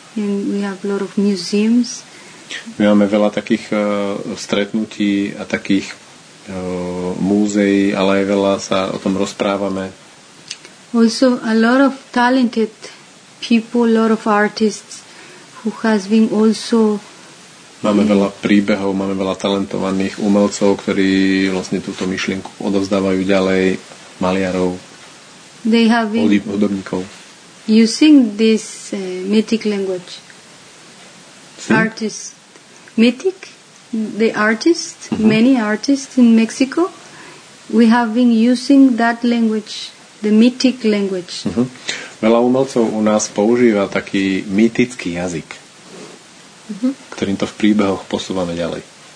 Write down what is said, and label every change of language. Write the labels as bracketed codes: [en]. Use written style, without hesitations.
[en] And we have a lot of museums. [sk] My máme veľa takých stretnutí a takých múzeí, ale aj veľa sa o tom rozprávame. [en] Also a lot of talented people, a lot of artists who has been also [sk] máme veľa príbehov, máme veľa talentovaných umelcov, ktorí vlastne túto myšlienku odovzdávajú ďalej, maliarov. [en] They have been [sk] hudobníkov. [en] Using this mythic language. Artists. Mythic? The artists, many artists in Mexico, we have been using that language, the mythic language. [sk] Veľa umelcov u nás používa taký mýtický jazyk, ktorým to v príbehoch posúvame ďalej.